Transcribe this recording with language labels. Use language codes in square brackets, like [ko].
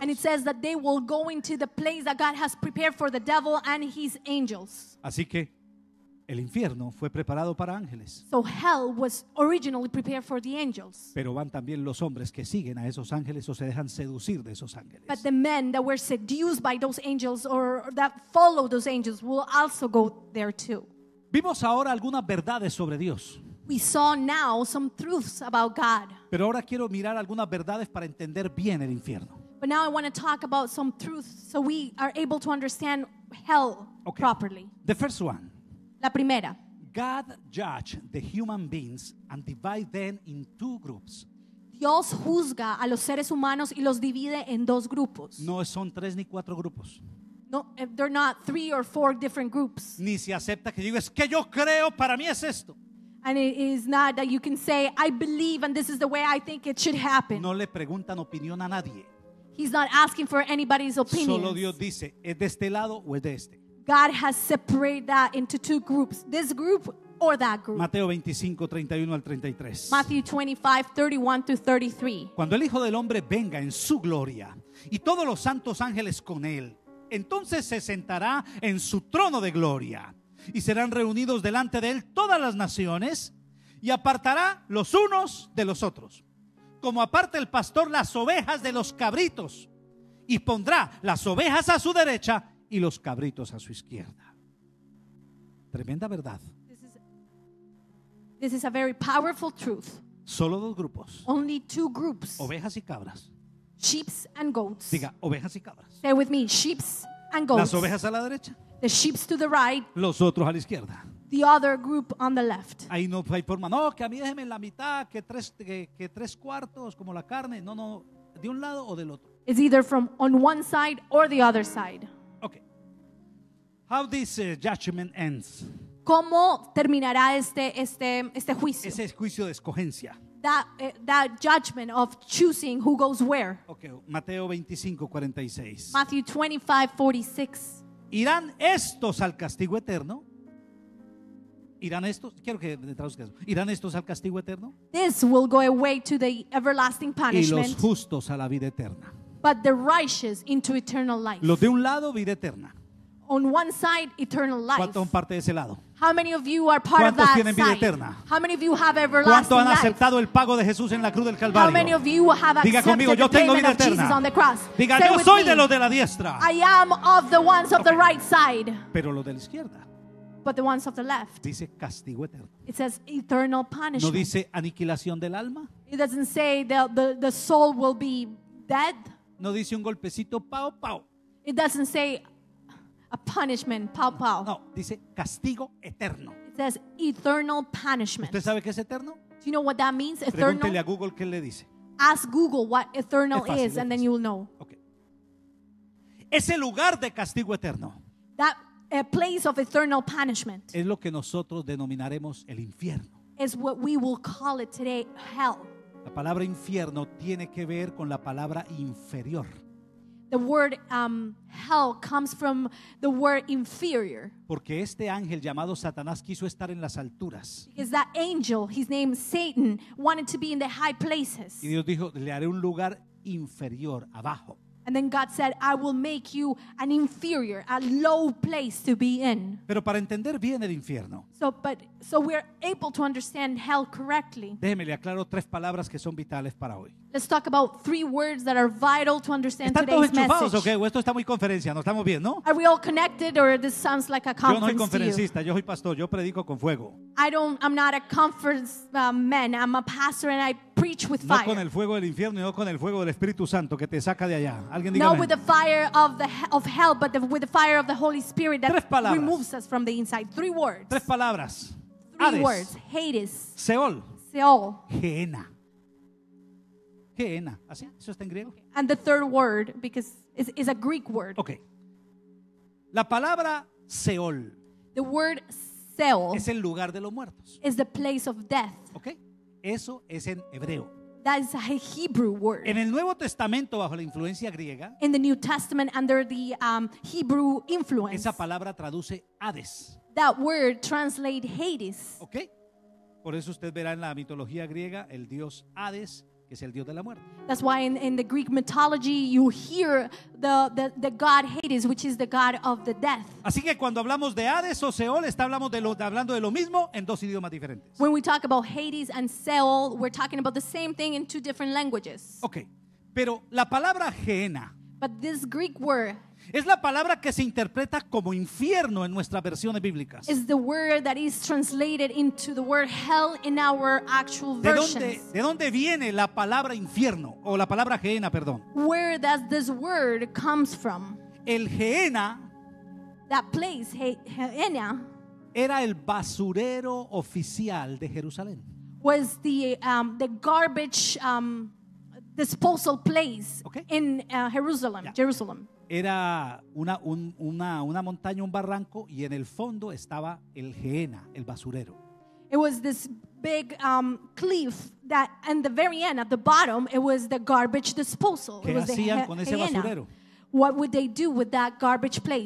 [en] And it says that they will go into the place that God has prepared for the devil and his angels. [es] Así que el infierno fue preparado para ángeles. [en] So hell was originally prepared for the angels. [es] Pero van también los hombres que siguen a esos ángeles o se dejan seducir de esos ángeles. [en] But the men that were seduced by those angels or that follow those angels will also go there too. [es] Vimos ahora algunas verdades sobre Dios. [en] We saw now some truths about God. [es] Pero ahora quiero mirar algunas verdades para entender bien el infierno. [en] But now I want to talk about some truths so we are able to understand hell okay. properly. The first one. [es] La primera. [en] God judge the human beings and divide them in two groups. [es] Dios juzga a los seres humanos y los divide en dos grupos. No son tres ni cuatro grupos. [en] No, they're not three or four different groups. [es] Ni se acepta que digas que yo creo, para mí es esto. [en] And it is not that you can say I believe and this is the way I think it should happen. [es] No le preguntan opinión a nadie. [en] He's not asking for anybody's opinion. [es] Solo Dios dice, ¿es de este lado o es de este? [en] God has separated that into two groups, this group or that group. [es] Mateo 25:31 al 33. [en] Matthew 25:31-33. [es] Cuando el Hijo del Hombre venga en su gloria y todos los santos ángeles con él, entonces se sentará en su trono de gloria y serán reunidos delante de él todas las naciones y apartará los unos de los otros, como aparta el pastor las ovejas de los cabritos y pondrá las ovejas a su derecha y los cabritos a su izquierda. Tremenda verdad. [en] This is a very powerful truth. [es] Solo dos grupos. [en] Only two groups. [es] Ovejas y cabras. [en] Sheep and goats. [es] Diga, ovejas y cabras. [en] Say with me, sheep and goats. [es] Las ovejas a la derecha. [en] The sheep to the right. [es] Los otros a la izquierda. [en] The other group on the left. [es] Ahí no hay forma. No, que a mí déjeme en la mitad, que tres cuartos como la carne. No, no, de un lado o del otro. [en] It's either from on one side or the other side. How this judgment ends. [es] ¿Cómo terminará este juicio? Ese juicio de escogencia. [en] That judgment of choosing who goes where. [es] Okay, Mateo 25:46. [en] Matthew 25:46. [es] ¿Irán estos al castigo eterno? ¿Irán estos? Quiero que me traduzca eso. ¿Irán estos al castigo eterno? [en] This will go away to the everlasting punishment. [es] Y los justos a la vida eterna. [en] But the righteous into eternal life. [es] Los de un lado, vida eterna. [en] on one side eternal life? [es] ¿Cuántos son parte de ese lado? [en] How many of you are part of that [es] tienen vida [en] side? [es] Eterna? [en] How many of you have everlasting [es] ¿Cuántos han [en] life? [es] Aceptado el pago de Jesús en la cruz del Calvario? [en] How many of you have accepted [es] Diga conmigo, yo [en] the payment [es] tengo vida [en] of [es] eterna. [en] Jesus on the cross? [es] Diga, yo soy de los de la diestra. [en] I am of the ones of okay. the right side. [es] Pero los de la izquierda. [en] But the ones of the left. [es] Dice castigo eterno. [en] It says eternal punishment. [es] No dice aniquilación del alma. [en] It doesn't say the soul will be dead. [es] No dice un golpecito pao pao. [en] It doesn't say a punishment pao pao. [es] No, dice castigo eterno. [en] It says eternal punishment. [es] ¿Usted sabe qué es eterno? [en] Do you know what that means? [es] Eternal. Pregúntele a Google qué le dice. [en] Ask Google what eternal [es] fácil, [en] is and then you will know. [es] Okay. Ese lugar de castigo eterno. [en] That a place of eternal punishment. [es] Es lo que nosotros denominaremos el infierno. [en] Is what we will call it today hell. [es] La palabra infierno tiene que ver con la palabra inferior. [en] The word hell comes from the word inferior. [es] Porque este ángel llamado Satanás quiso estar en las alturas. [en] Because that angel, his name Satan, wanted to be in the high places. [es] Y Dios dijo, le haré un lugar inferior, abajo. [en] And then God said, I will make you an inferior, a low place to be in. [es] Pero para entender bien el infierno. [en] So we're able to understand hell correctly. [es] Déjeme le aclaro tres palabras que son vitales para hoy. [en] Let's talk about three words that are vital to understand [es] ¿Están [en] today's [es] todos enchufados, [en] message. [es] Okay? O esto está muy conferencia, no estamos bien, ¿no? [en] Are we all connected or this sounds like a conference? [es] Yo no soy conferencista, yo soy pastor, yo predico con fuego. [en] I'm not a conference man, I'm a pastor and I preach with fire. [es] No con el fuego del infierno, no con el fuego del Espíritu Santo que te saca de allá. Alguien diga. [en] No with the fire of hell, but with the fire of the Holy Spirit that removes us from the inside. Three words. [es] Tres palabras. [en] Three Hades. Words. Hades. Seol. Seol. [es] Gehenna. Gehenna. ¿Así? ¿Eso está en griego? [en] And the third word, because it's a Greek word. [es] Okay. La palabra Seol. [en] The word Seol. [es] Es el lugar de los muertos. [en] Is the place of death. [es] Okay. Eso es en hebreo. [en] That's a Hebrew word. [es] En el Nuevo Testamento bajo la influencia griega. [en] In the New Testament under the Hebrew influence. [es] Esa palabra traduce Hades. [en] That word translates Hades. Okay. [es] Por eso usted verá en la mitología griega el dios Hades, que es el dios de la muerte. [en] That's why in the Greek mythology you hear the god Hades, which is the god of the death. [es] Así que cuando hablamos de Hades o Seol, hablando de lo mismo en dos idiomas diferentes. [en] When we talk about Hades and Seol, we're talking about the same thing in two different languages. [es] Okay. Pero la palabra Gehenna. [en] But this Greek word [es] es la palabra que se interpreta como infierno en nuestras versiones bíblicas. [en] Is the word that is translated into the word hell in our actual versions. [es] ¿De dónde viene la palabra infierno o la palabra Gehenna, perdón? [en] Where does this word comes from? [es] El Gehenna, [en] that place Gehenna, [es] era el basurero oficial de Jerusalén. [en] Was the garbage disposal place, okay, in Jerusalem, yeah. Jerusalem. [es] Era una montaña, un barranco, y en el fondo estaba el Gehenna, el basurero. [en] It was this big cliff that, in the very end, at the bottom, it was the garbage disposal. [es] ¿Qué hacían con ese basurero? [en] What would they do with that garbage place?